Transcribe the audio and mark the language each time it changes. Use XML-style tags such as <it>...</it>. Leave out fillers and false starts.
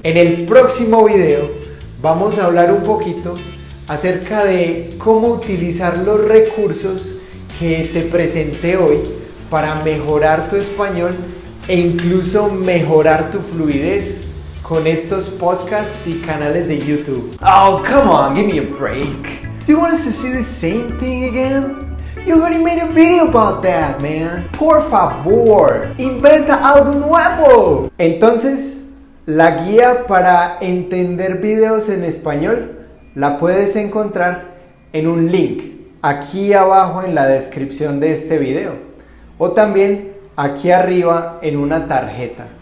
<es>En el próximo video vamos a hablar un poquito acerca de cómo utilizar los recursos que te presenté hoy para mejorar tu español e incluso mejorar tu fluidez con estos podcasts y canales de YouTube.</es> <en>Oh, come on, give me a break. Do you want us to see the same thing again? You already made a video about that, man.</en> <es>Por favor, inventa algo nuevo. Entonces, la guía para entender videos en español la puedes encontrar en un link aquí abajo en la descripción de este video o también aquí arriba en una tarjeta.</es>